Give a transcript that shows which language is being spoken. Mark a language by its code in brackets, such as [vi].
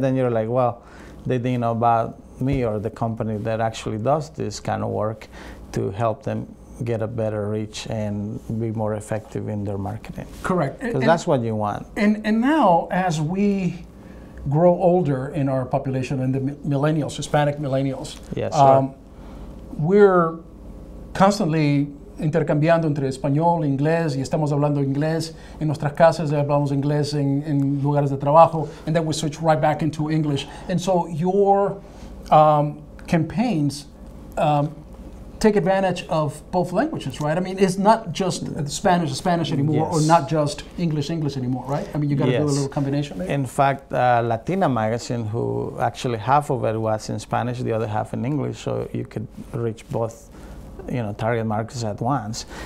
[en] then you're like, well, they didn't know about me or the company that actually does this kind of work to help them get a better reach and be more effective in their marketing. Correct. Because that's what you want. And now, as we grow older in our population, and the millennials, Hispanic millennials, yes, sir. We're constantly [es] intercambiando entre español, inglés, y estamos hablando inglés en nuestras casas, hablamos inglés en lugares de trabajo, [en] and then we switch right back into English. And so your campaigns take advantage of both languages, right? I mean, it's not just Spanish anymore, yes. Or not just English anymore, right? I mean, you got to do a little combination, maybe? In fact, Latina Magazine, who actually half of it was in Spanish, the other half in English, so you could reach both, you know, target markets at once.